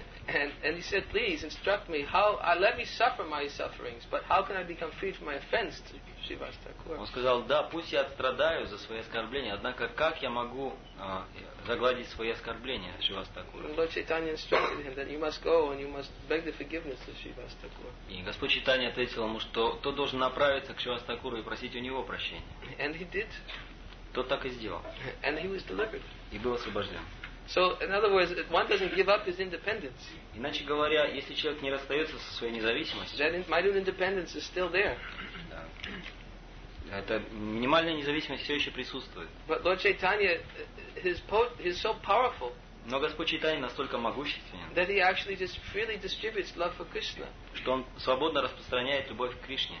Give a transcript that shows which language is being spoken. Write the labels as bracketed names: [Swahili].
[English] And he said, "Please instruct me how I let me suffer my sufferings, but how can I become free from my offense to Shivas Thakur?" [Russian] Он сказал: "Да, пусть я страдаю за свои оскорбления, однако как я могу загладить свои оскорбления, Шивас Такур?" [English] And Lord Chaitanya instructed him that you must go and you must beg the forgiveness of Shivas Thakur. [Russian] И Господь Чайтанья ответил ему, что тот должен направиться к Шивас Такуру и просить у него прощения. [English] And he did. [Russian] Тот так и сделал. [English] And he was delivered. [Russian] И был освобожден. [English] So, in other words, one doesn't give up his independence. [Russian] Иначе говоря, если человек не расстается со своей независимостью, [English] then my independence is still there. [Russian] Это минимальная независимость все еще присутствует. [English] But Lord Chaitanya, he's so powerful. [Russian] Но Господь Чайтанья настолько могущественен, [English] that he actually just freely distributes love for Krishna. [Russian] Что он свободно распространяет любовь к Кришне.